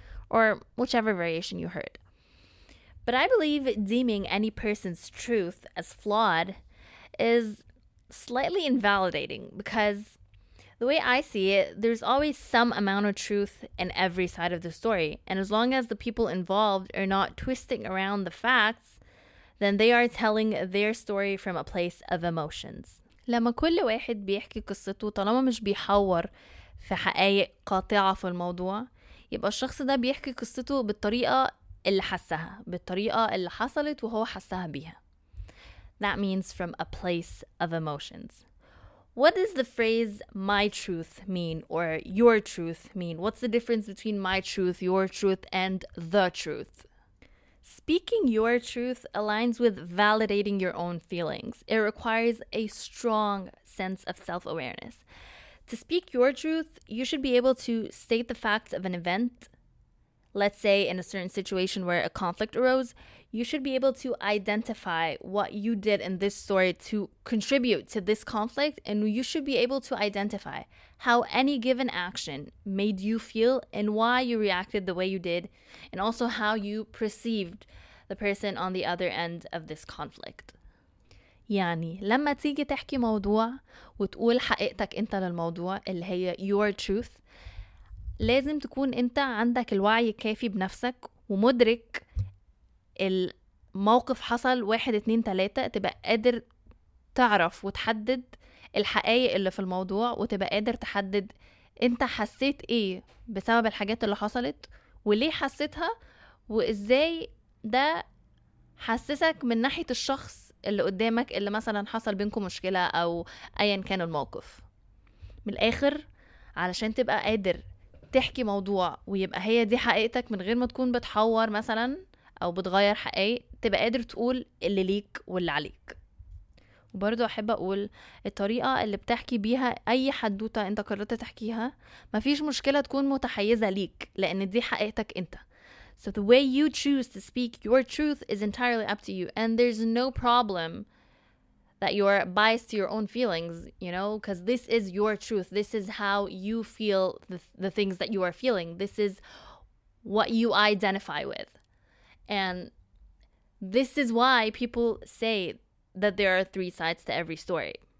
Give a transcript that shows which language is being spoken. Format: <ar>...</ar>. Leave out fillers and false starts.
<en>Or whichever variation you heard. But I believe deeming any person's truth as flawed is slightly invalidating. Because the way I see it, there's always some amount of truth in every side of the story. And as long as the people involved are not twisting around the facts, then they are telling their story from a place of emotions.</en> <ar>لما كل واحد بيحكي قصته طالما مش بيحور في حقائق قاطعه في الموضوع، يبقى الشخص ده بيحكي قصته بالطريقه اللي حسها، بالطريقه اللي حصلت وهو حسها بيها. That means from a place of emotions. What does the phrase my truth mean or your truth mean? What's the difference between my truth, your truth, and the truth? Speaking your truth aligns with validating your own feelings. It requires a strong sense of self-awareness. To speak your truth, you should be able to state the facts of an event. Let's say in a certain situation where a conflict arose, you should be able to identify what you did in this story to contribute to this conflict, and you should be able to identify how any given action made you feel and why you reacted the way you did, and also how you perceived the person on the other end of this conflict. يعني لما تيجي تحكي موضوع وتقول حقيقتك انت للموضوع اللي هي</ar> <en>your truth،</en> <ar>لازم تكون انت عندك الوعي الكافي بنفسك ومدرك الموقف حصل 1 2 3، تبقى قادر تعرف وتحدد الحقائق اللي في الموضوع، وتبقى قادر تحدد انت حسيت ايه بسبب الحاجات اللي حصلت وليه حسيتها، وازاي ده حسسك من ناحية الشخص اللي قدامك اللي مثلا حصل بينكم مشكلة او ايا كان الموقف. من الاخر، علشان تبقى قادر تحكي موضوع ويبقى هي دي حقيقتك من غير ما تكون بتحور مثلا أو بتغير حقيقة، تبقى قادر تقول اللي ليك واللي عليك. وبرضو أحب أقول الطريقة اللي بتحكي بيها أي حدوتة أنت قررت تحكيها، مفيش مشكلة تكون متحيزة ليك لأن دي حقيقتك أنت.</ar> <en>So the way you choose to speak your truth is entirely up to you, and there's no problem that you are biased to your own feelings, you know, because this is your truth. This is how you feel the things that you are feeling. This is what you identify with. And this is why people say that there are three sides to every story.</en>